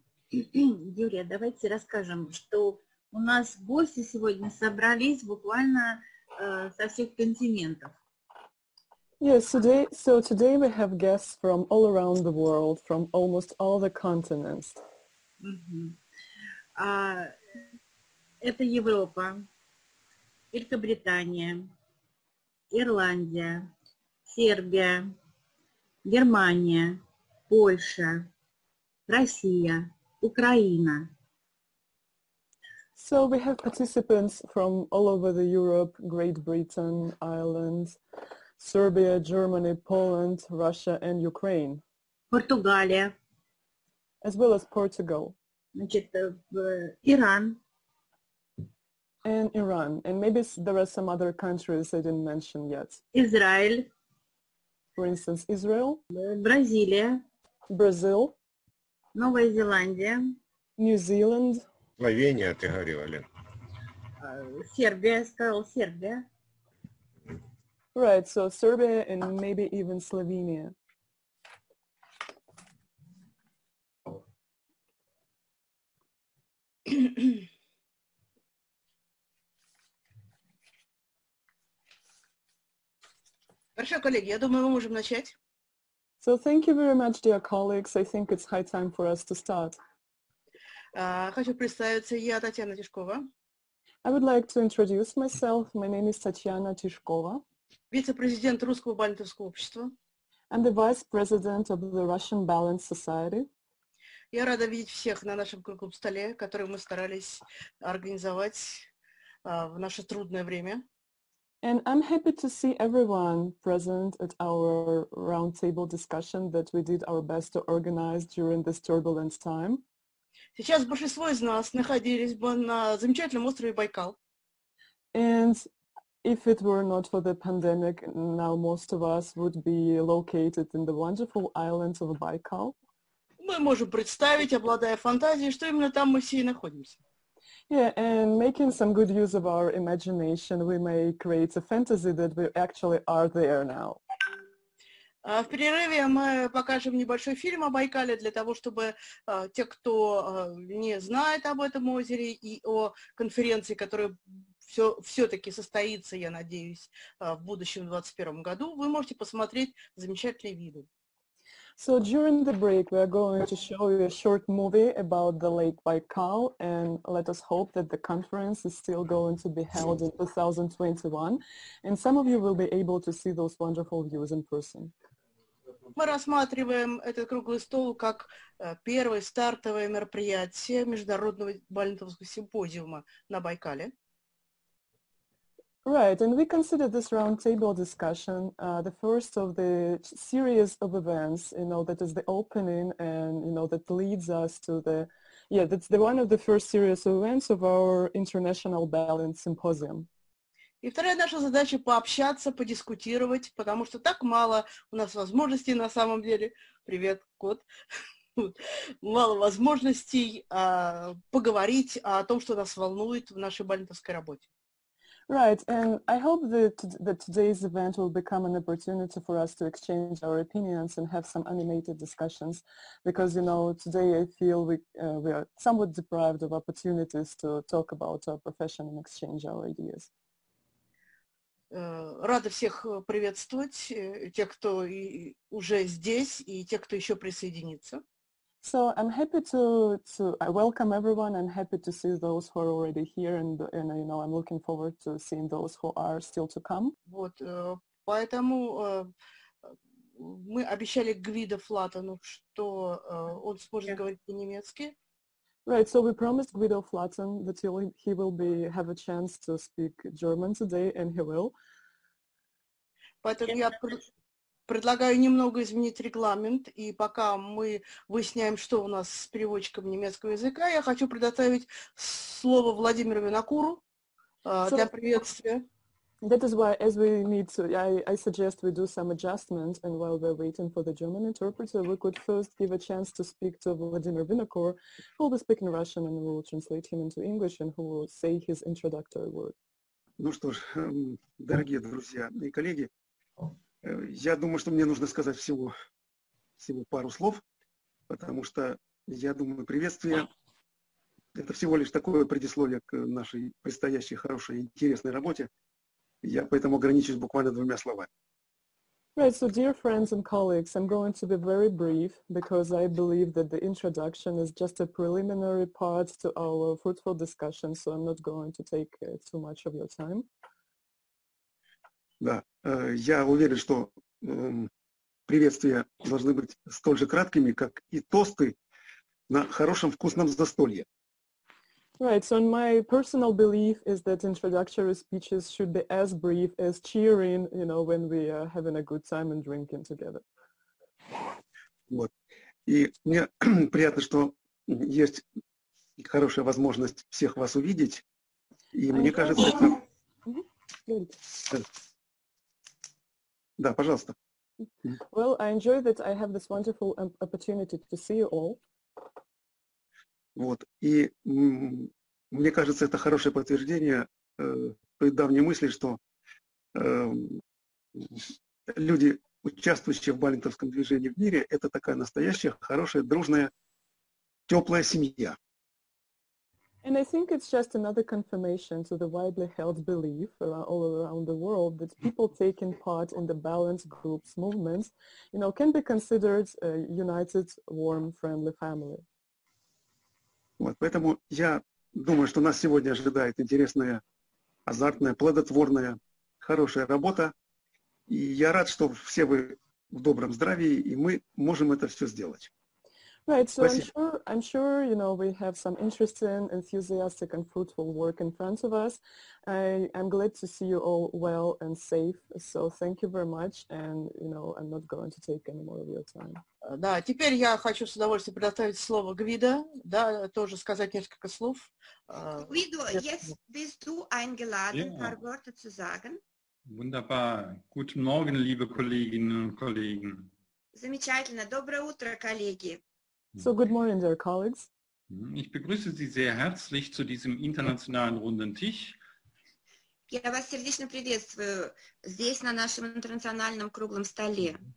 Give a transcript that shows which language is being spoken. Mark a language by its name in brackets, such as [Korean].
[Russian] Юрия, давайте расскажем, что у нас гости сегодня собрались буквально со всех континентов. [English] Yes, today, so today we have guests from all around the world, from almost all the continents. [Russian] Это Европа, Великобритания, Ирландия, Сербия, Германия, Польша, Россия, Украина. [English] So we have participants from all over the Europe, Great Britain, Ireland, Serbia, Germany, Poland, Russia and Ukraine. [Russian] Португалия. [English] As well as Portugal. [Russian] Значит, Иран. [English] And Iran. And maybe there are some other countries I didn't mention yet. [Russian] Израиль. [English] For instance, Israel. [Russian] Бразилия. [English] Brazil. [Russian] Новая Зеландия. [English] New Zealand. [Russian] Словения, ты говорила. Сербия, сказал Сербия. [English] Right, so Serbia and maybe even Slovenia. [Russian] Хорошо, коллеги, я думаю, мы можем начать. [English] So thank you very much, dear colleagues. I think it's high time for us to start. [Russian] Хочу представиться, я Татьяна Тишкова. [English] I would like to introduce myself. My name is Татьяна Тишкова. [Russian] Вице-президент Русского балетовского общества. [English] And the vice president of the Russian Ballet Society. [Russian] Я рада видеть всех на нашем круглом столе, который мы старались организовать в наше трудное время. [English] And I'm happy to see everyone present at our roundtable discussion that we did our best to organize during this turbulent time. [Russian] Сейчас большинство из нас находились бы на замечательном острове Байкал. [English] And if it were not for the pandemic, now most of us would be located in the wonderful island of Baikal. [Russian] Мы можем представить, обладая фантазией, что именно там мы все и находимся. [English] Yeah, and making some good use of our imagination, we may create a fantasy that we actually are there now. [Russian] В перерыве мы покажем небольшой фильм о Байкале для того, чтобы те, кто не знает об этом озере и о конференции, которая все-таки состоится, я надеюсь, в будущем 2021 году, вы можете посмотреть замечательные виды. [English] So during the break, we are going to show you a short movie about the Lake Baikal, and let us hope that the conference is still going to be held in 2021, and some of you will be able to see those wonderful views in person. [Russian] Мы рассматриваем этот круглый стол как первое стартовое мероприятие международного балетовского симпозиума на Байкале. [English] Right, and we consider this roundtable discussion the first of the series of events, you know, that is the opening and, you know, that leads us to the, yeah, that's the one of the first series of events of our International Ballet Symposium. [Russian] И вторая наша задача – пообщаться, подискутировать, потому что так мало у нас возможностей на самом деле. Привет, кот. Мало возможностей поговорить о том, что нас волнует в нашей балетовской работе. [English] Right, and I hope that today's event will become an opportunity for us to exchange our opinions and have some animated discussions, because, you know, today I feel we are somewhat deprived of opportunities to talk about our profession and exchange our ideas. [Russian] Рада всех приветствовать, тех, кто уже здесь, и тех, кто еще присоединится. [English] So I'm happy to I welcome everyone. I'm happy to see those who are already here, and you know, I'm looking forward to seeing those who are still to come. [Russian] Вот, поэтому мы обещали Гвидо Флатону, что он сможет говорить по-немецки. [English] Right, so we promised Guido Flatten that he will be have a chance to speak German today, and he will. [Russian] Поэтому я предлагаю немного изменить регламент, и пока мы выясняем, что у нас с переводчиком немецкого языка, я хочу предоставить слово Владимиру Винокуру для приветствия. [English] That is why, as we need to, I suggest we do some adjustments, and while we're waiting for the German interpreter, we could first give a chance to speak to Vladimir Vinokur, who will be speaking Russian, and we will translate him into English, and who will say his introductory word. [Russian] Ну что ж, дорогие друзья и коллеги, я думаю, что мне нужно сказать всего пару слов. потому что, я думаю, приветствие — это всего лишь такое предисловие к нашей предстоящей хорошей и интересной работе. Я поэтому ограничусь буквально двумя словами. [English] Right, so dear friends and colleagues, I'm going to be very brief because I believe that the introduction is just a preliminary part to our fruitful discussion, so I'm not going to take too much of your time. [Russian] Да, я уверен, что приветствия должны быть столь же краткими, как и тосты на хорошем вкусном застолье. [English] Right, so my personal belief is that introductory speeches should be as brief as cheering, you know, when we are having a good time and drinking together. [Russian] Вот. И мне приятно, что есть хорошая возможность всех вас увидеть. И мне кажется, это... Да, пожалуйста. [English] Well, I enjoy that I have this wonderful opportunity to see you all. [Russian] Вот. И мне кажется, это хорошее подтверждение той давней мысли, что люди, участвующие в Баллинтовском движении в мире, это такая настоящая, хорошая, дружная, теплая семья. [English] And I think it's just another confirmation to the widely held belief all around the world that people taking part in the balance groups movements, you know, can be considered a united, warm, friendly family. [Russian] Вот, поэтому я думаю, что нас сегодня ожидает интересная, азартная, плодотворная, хорошая работа. И я рад, что все вы в добром здравии, и мы можем это все сделать. [English] Right, so I'm sure, you know, we have some interesting, enthusiastic and fruitful work in front of us. I'm glad to see you all well and safe. So thank you very much, and, you know, I'm not going to take any more of your time. [Russian] Да, теперь я хочу с удовольствием предоставить слово Гвидо, да, тоже сказать несколько слов. [German] Гвидо, [English] yes, [German] bist du eingeladen, ein paar Worte zu sagen? Wunderbar. Guten Morgen, liebe Kolleginnen und Kollegen. [Russian] Замечательно. Доброе утро, коллеги. [English] So good morning, dear colleagues. [German] Ich begrüße Sie sehr herzlich zu diesem internationalen runden Tisch. [Russian] Я вас сердечно приветствую здесь на нашем интернациональном круглом столе.